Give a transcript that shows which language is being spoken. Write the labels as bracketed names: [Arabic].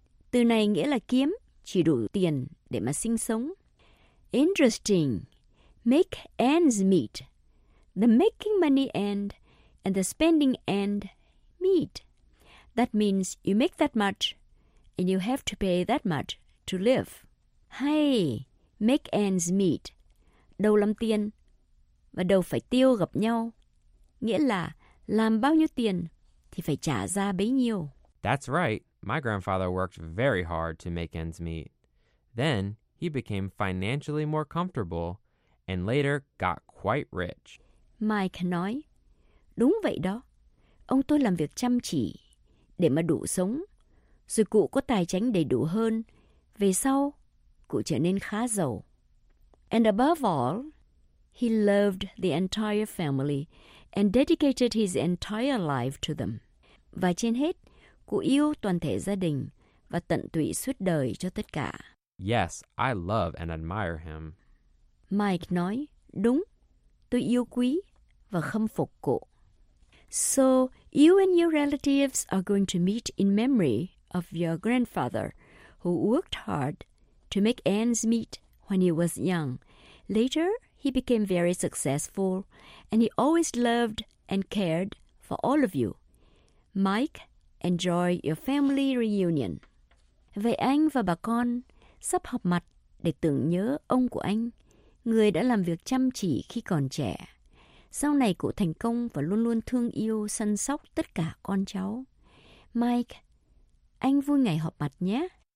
[Vietnamese] Từ này nghĩa là kiếm, chỉ đủ tiền để mà sinh sống. [English] Interesting. Make ends meet. The making money end and the spending end meet. That means you make that much and you have to pay that much to live. Hey, make ends meet. [Vietnamese] Đầu làm tiền và đầu phải tiêu gặp nhau. Nghĩa là làm bao nhiêu tiền thì phải trả ra bấy nhiêu. [English] That's right. My grandfather worked very hard to make ends meet. Then he became financially more comfortable and later got quite rich. [Vietnamese] Mike nói, đúng vậy đó. Ông tôi làm việc chăm chỉ để mà đủ sống. Rồi cụ có tài chánh đầy đủ hơn. Về sau, cụ trở nên khá giàu. [English] And above all, he loved the entire family and dedicated his entire life to them. [Vietnamese] Và trên hết, cụ yêu toàn thể gia đình và tận tụy suốt đời cho tất cả. [English] Yes, I love and admire him. [Vietnamese] Mike nói, đúng, tôi yêu quý và khâm phục cụ. [English] So, you and your relatives are going to meet in memory of your grandfather who worked hard to make ends meet when he was young. Later, he became very successful and he always loved and cared for all of you. Mike, enjoy your family reunion. [Vietnamese] Vậy anh và bà con sắp họp mặt để tưởng nhớ ông của anh, người đã làm việc chăm chỉ khi còn trẻ. Sau này cụ thành công và luôn luôn thương yêu, săn sóc tất cả con cháu. Mike, anh vui ngày họp mặt nhé.